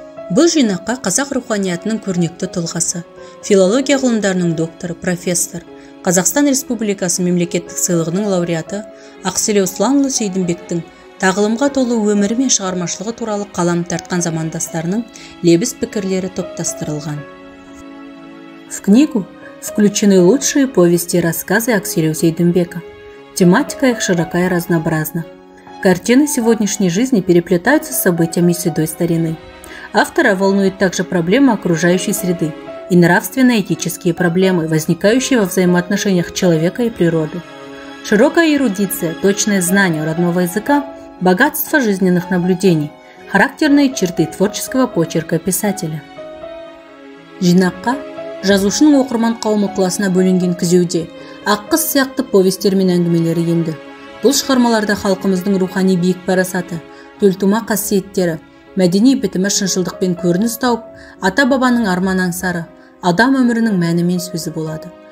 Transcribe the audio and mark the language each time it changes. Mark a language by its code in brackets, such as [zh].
[kk] Бұл жинаққа қазақ руханиятының көрнекті тұлғасы, филология ғылымдарының докторы, профессор, Қазақстан Республикасы мемлекеттік сыйлығының лауреаты Ақселеу Сұланұлы Сейдімбектің тағылымға толы өмірі мен шығармашылығы туралы қалам тартқан замандастарының лебіз пікірлері топтастырылған. [ru] В книгу включены лучшие повести и рассказы Акселия Сейдімбека. Тематика их широка и разнообразна. Картины сегодняшней жизни переплетаются с событиями седой старины. Автора волнует также проблема окружающей среды и нравственно-этические проблемы, возникающие во взаимоотношениях человека и природы. Широкая эрудиция, точное знание родного языка, богатство жизненных наблюдений – характерные черты творческого почерка писателя. [kk] Жинаққа жазушының оқырман қауымы классына бөлінген күзеуде аққыз сияқты повестер мен әңгімелері енді. Бұл шығармаларда халқымыздың рухани биік парасаты, төлтума қасиеттері, мәдени бітімі шыншылдықпен көрініс тауып, ата-бабаның арман аңсары, адам өмірінің мәні мен сөзі болады.